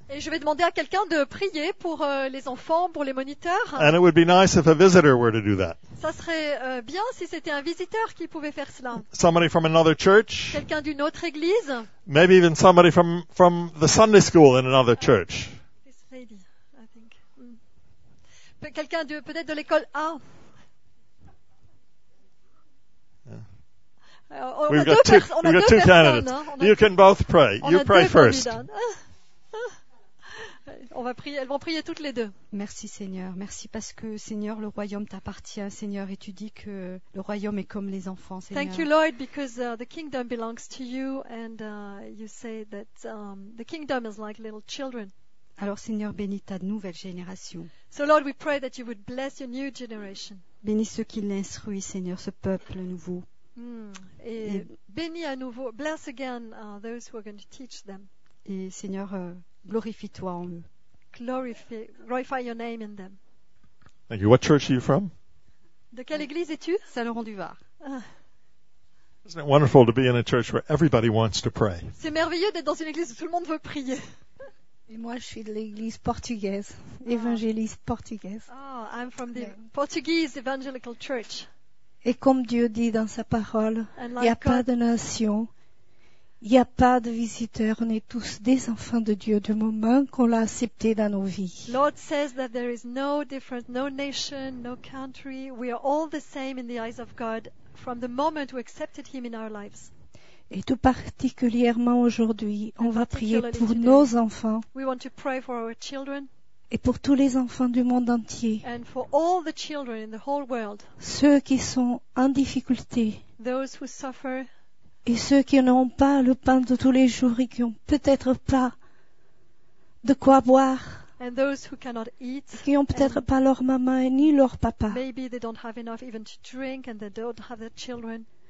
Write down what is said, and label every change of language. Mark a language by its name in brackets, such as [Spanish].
[French] Et je vais demander à quelqu'un de prier pour les enfants, pour les moniteurs. [English] And it would be nice if a visitor were to do that. [French] Ça serait bien si c'était un visiteur qui pouvait faire cela. [English] Somebody from another church. [French] Quelqu'un d'une autre église. [English] Maybe even somebody from the Sunday school in another church. This lady, I think. [French] Quelqu'un de peut-être de l'école A. [English] We've got two candidates. You can both pray. You pray first. [French] On va prier, elles vont prier toutes les deux. Merci Seigneur, merci parce que Seigneur, le royaume t'appartient, Seigneur, et tu dis que le royaume est comme les enfants, Seigneur. [English] Thank you Lord because the kingdom belongs to you and you say that the kingdom is like little children. [French] Alors Seigneur, bénis ta nouvelle génération. [English] So Lord, we pray that you would bless your new generation. [French] Bénis ceux qui l'instruisent, Seigneur, ce peuple nouveau. Et bénis à nouveau, [English] bless again those who are going to teach them. [French] Et Seigneur, glorifie-toi en eux. [English] Glorify your name in them. Thank you. What church are you from? [French] De quelle église es-tu? Saint-Laurent-du-Var. [English] Isn't it wonderful to be in a church where everybody wants to pray? [French] C'est merveilleux d'être dans une église où tout le monde veut prier. Et moi, je suis de l'église portugaise, évangéliste portugaise. [English] Oh, I'm from the Portuguese Evangelical Church. [French] Et comme Dieu dit dans sa parole, il n'y a pas de nation, il n'y a pas de visiteurs, on est tous des enfants de Dieu du moment qu'on l'a accepté dans nos vies. [English] Lord says that there is no difference, no nation, no country. We are all the same in the eyes of God from the moment we accepted him in our lives. [French] Et tout particulièrement aujourd'hui, on va prier pour nos enfants. [English] We want to pray for our children. [French] Et pour tous les enfants du monde entier, [English] and for all the children in the whole world, [French] ceux qui sont en difficulté, [English] those who suffer, [French] et ceux qui n'ont pas le pain de tous les jours et qui n'ont peut-être pas de quoi boire, [English] and those who cannot eat, [French] qui n'ont peut-être pas leur maman et ni leur papa, [English] maybe they don't have enough even to drink and they don't have their children,